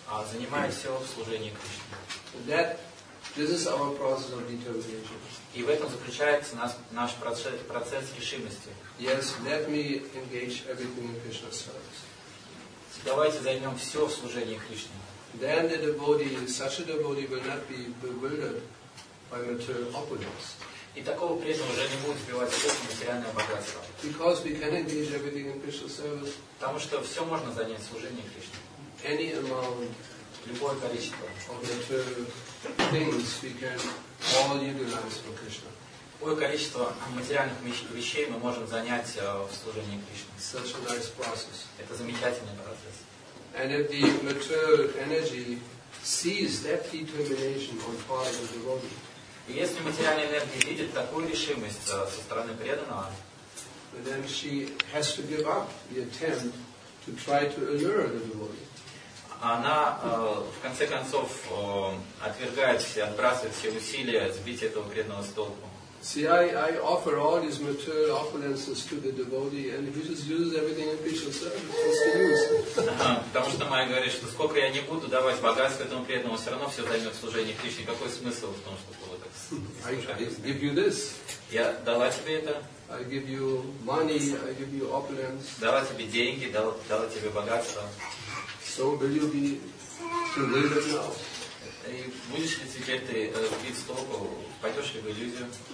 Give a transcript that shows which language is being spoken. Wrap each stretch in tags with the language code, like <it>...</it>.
<ru>А занимаясь все в служении Кришне.</ru> <en>This is our process of determination.</en> <ru>И в этом заключается наш процесс решимости.</ru> <en>Yes, let me engage everything in Krishna's service.</en> <ru>Давайте займем все в служении Кришне.</ru> <en>Then the devotee, such a devotee, will not be bewildered by material opulence.</en> <ru>И такого преданного уже не будет сбивать спесь материальное богатство.</ru> <en>Because we can engage everything in Krishna's service.</en> <ru>Потому что все можно занять в служении Кришне.</ru> <en>Any amount,</en> <ru>любое количество</ru> <en>of material things we can all utilize for Krishna.</en> <ru>Какое количество материальных вещей мы можем занять в служении Кришне?</ru> <en>Such a nice process.</en> <ru>Это замечательный процесс.</ru> <en>And if the material energy sees that determination on part of the devotee,</en> <ru>и если материальная энергия видит такую решимость со стороны преданного,</ru> <en>then she has to give up the attempt to try to allure the devotee.</en> <ru>Она в конце концов отвергает все, отбрасывает все усилия сбить этого преданного с толку.</ru> <en>See, I offer all these material opulences to the devotee, and he just uses everything in Krishna's service.</en> <ru>Потому что Майя говорит, что сколько я не буду давать богатство этому преданному, все равно все займет служение Кришне. Какой смысл в том, что было так?</ru> <en>I give you this.</en> <ru>Я дала тебе это.</ru> <en>I give you money. I give you opulence.</en> <ru>Дала тебе деньги, дала тебе богатство.</ru> <en>So will you be to live it now?</en> <ru>И будешь ли теперь ты бить с толку, пойдешь ли в иллюзию?</ru>